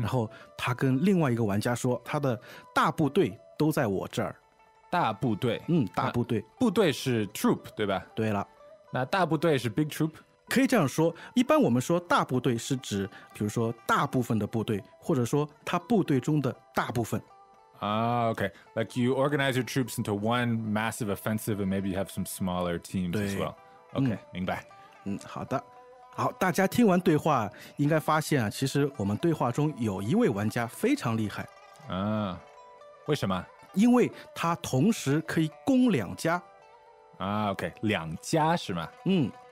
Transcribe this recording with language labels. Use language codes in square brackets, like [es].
[zh] 然后他跟另外一个玩家说他的大部队都在我这儿大部队嗯，大部队部队是 troop 对吧对了那大部队是 big troop 可以这样说一般我们说大部队是指比如说大部分的部队或者说他部队中的大部分、 [en] OK like you organize your troops into one massive offensive and maybe you have some smaller teams as well OK、 [zh] 嗯、明白嗯，好的好大家听完对话应该发现啊，其实我们对话中有一位玩家非常厉害啊，为什么因为他同时可以攻两家啊 OK 两家是吗嗯